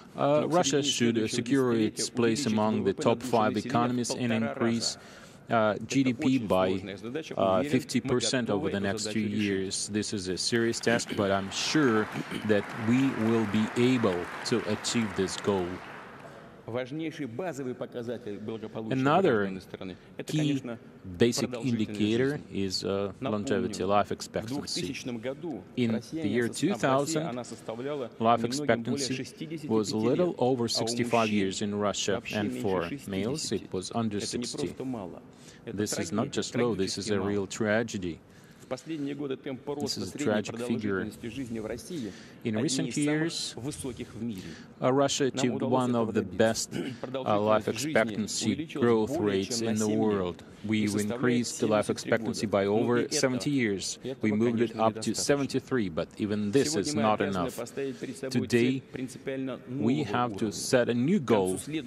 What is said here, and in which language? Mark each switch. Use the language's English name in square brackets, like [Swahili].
[English] Russia should secure its place among the top five economies and increase GDP by 50% over the next 2 years. This is a serious task, but I'm sure that we will be able to achieve this goal. [Russian] важнейший базовый показатель благополучия. [English] Another key basic indicator is longevity, life expectancy. In the year 2000, life expectancy was a little over 65 years in Russia, and for males it was under 60. This is not just low, this is a real tragedy. [Russian] Последние годы темп роста средней продолжительности жизни в России одни из самых высоких в мире. [English] Russia achieved one of the best life expectancy growth rates in the world. We increased the life expectancy by over 70 years. We moved it up to 73, but even this is not enough. Today, we have to set a new goal.